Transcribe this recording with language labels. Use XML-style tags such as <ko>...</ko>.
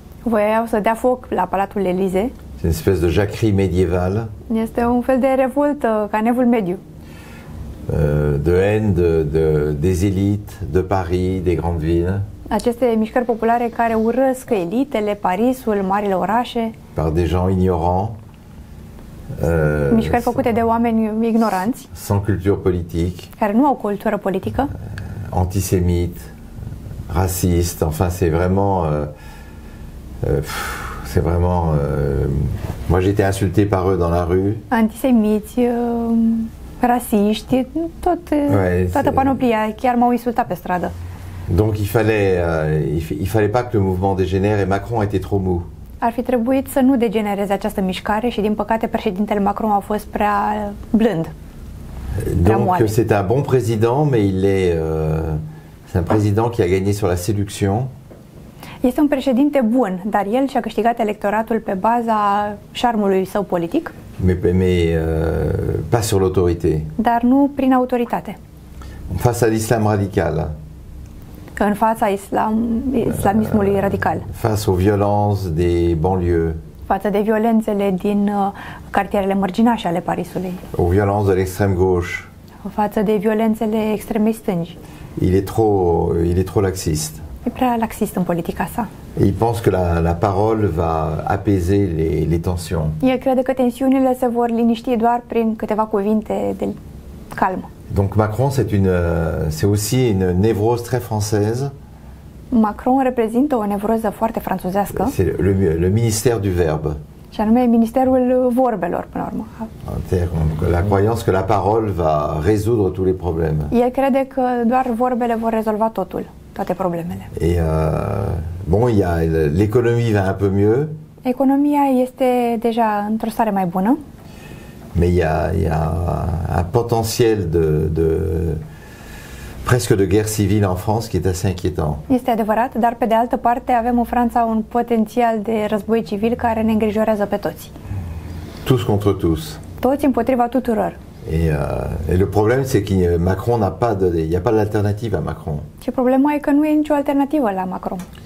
<ro>Voiau să dea foc la Palatul Élysée.</ro> <fr>C'est une espèce de jacquerie médiévale.</fr> <ro>Este un fel de revoltă, canevul mediu.</ro> <fr>De haine des élites de Paris, des grandes villes.</fr> <ro>Aceste mișcări populare care urăsc elitele, Parisul, marile orașe.</ro> <fr>Par des gens ignorants.</fr> <ro>Mișcări făcute de oameni ignoranți,</ro> <fr>sans culture politique,</fr> <ro>care nu au cultură politică,</ro> <fr>antisémite, raciste, enfin c'est vraiment c'est vraiment moi j'étais insulté par eux dans la rue.</fr> <ro>Antisémiti, raciști, toată panoplia, chiar m-au insultat pe stradă.</ro> <fr>Donc il fallait pas que le mouvement dégénère et Macron était trop mou.</fr> <ro>Ar fi trebuit să nu degenereze această mișcare și, din păcate, președintele Macron a fost prea blând.</ro> <fr>Donc, c'est un bon président, mais il est c'est un président qui a gagné sur la séduction.</fr> <ro>Este un președinte bun, dar el și-a câștigat electoratul pe baza șarmului său politic.</ro> <fr>Mais pas sur l'autorité.</fr> <ro>Dar nu prin autoritate.</ro> <fr>Face à l'islam radical.</fr> <ro>În fața islamismului radical.</ro> <fr>Face aux violences des banlieues.</fr> <ro>Față de violențele din cartierele mărginașe ale Parisului.</ro> <fr>Aux violences de l'extrême gauche.</fr> <ro>Față de violențele extreme stângi.</ro> <fr>Il est trop laxiste.</fr> <ro>E prea laxist în politica sa.</ro> <fr>Il pense que la parole va apaiser les tensions.</fr> <ro>El crede că tensiunile se vor liniști doar prin câteva cuvinte de calm.</ro> <fr>Donc Macron, c'est aussi une névrose très française.</fr> <ro>Macron reprezintă o nevroză foarte franțuzească.</ro> <fr>C'est le ministère du verbe.</fr> <ro>Și anume ministerul vorbelor, până la urmă.</ro> <fr>La croyance que la parole va résoudre tous les problèmes.</fr> <ro>El crede că doar vorbele vor rezolva totul, toate problemele.</ro> <fr>Et bon, il y a l'économie va un peu mieux.</fr> <ro>Economia este deja într-o stare mai bună.</ro> <fr>Mais il y a un potentiel de presque de guerre civile en France qui est assez inquiétant.</fr> <ro>Este adevărat, dar pe de altă parte avem în Franța un potențial de război civil care ne îngrijorează pe toți.</ro> <fr>Tous contre tous.</fr> <ro>Toți împotriva tuturor.</ro> <fr>Et le problème c'est que Macron n'a pas de il y a pas d'alternative à Macron.</fr> <ro>Și problema e că nu e nicio alternativă la Macron.</ro>